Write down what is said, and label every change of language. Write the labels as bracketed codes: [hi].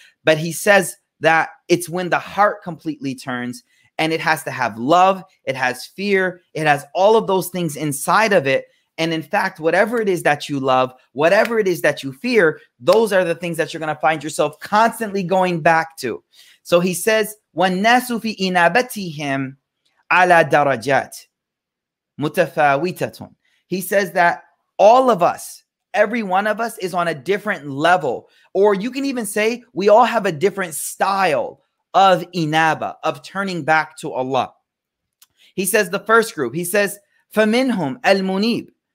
[en] But he says that it's when the heart completely turns and it has to have love, it has fear, it has all of those things inside of it. And in fact, whatever it is that you love, whatever it is that you fear, those are the things that you're going to find yourself constantly going back to. So he says, [ar] وَالنَّاسُ فِي إِنَابَتِهِمْ عَلَى دَرَجَاتْ مُتَفَاوِتَةٌ. [en] He says that all of us, every one of us is on a different level, or you can even say we all have a different style of inaba, of turning back to Allah. He says the first group, he says, [ar] فَمِنْهُمْ المنيب.